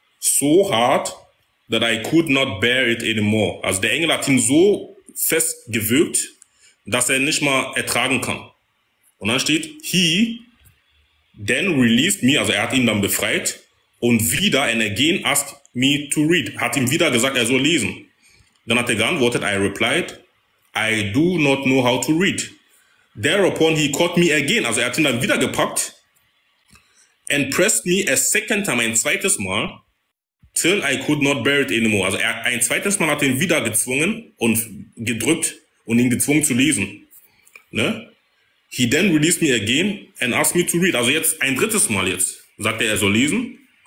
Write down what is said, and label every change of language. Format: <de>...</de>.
<de>so hart,</de> <en>that I could not bear it anymore.</en> <de>Also der Engel hat ihn so festgewürgt, dass er nicht mal ertragen kann. Und dann steht,</de> <en>he then released me,</en> <de>also er hat ihn dann befreit und wieder,</de> <en>and again asked me to read,</en> <de>hat ihm wieder gesagt, er soll lesen. Dann hat er geantwortet,</de> <en>I replied, I do not know how to read. Thereupon he caught me again,</en> <de>also er hat ihn dann wieder gepackt,</de> <en>and pressed me a second time,</en> <de>ein zweites Mal,</de> <en>till I could not bear it anymore.</en> <de>Also ein zweites Mal hat ihn wieder gezwungen und gedrückt und ihn gezwungen zu lesen. Ne?</de> <en>He then released me again and asked me to read.</en> <de>Also jetzt ein drittes Mal jetzt, sagt er soll lesen.</de>